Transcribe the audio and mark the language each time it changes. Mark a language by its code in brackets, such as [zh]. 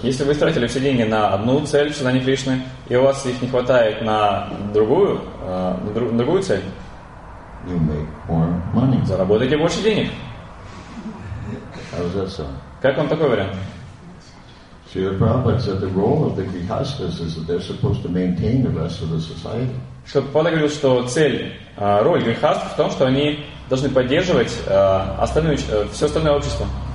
[ru] Если вы тратили все деньги на одну цель, сознание Кришны, и у вас их не хватает на другую цель, [en] you make more money. [ru] Заработайте больше денег. [en] How does that sound? [ru] Как вам такой вариант? [en] Srila Prabhupada said the role of the grihasthas is that they're supposed to maintain the rest of the society. [ru] Что Прабхупада говорил, что роль грихаст в том, что они должны поддерживать все остальное общество.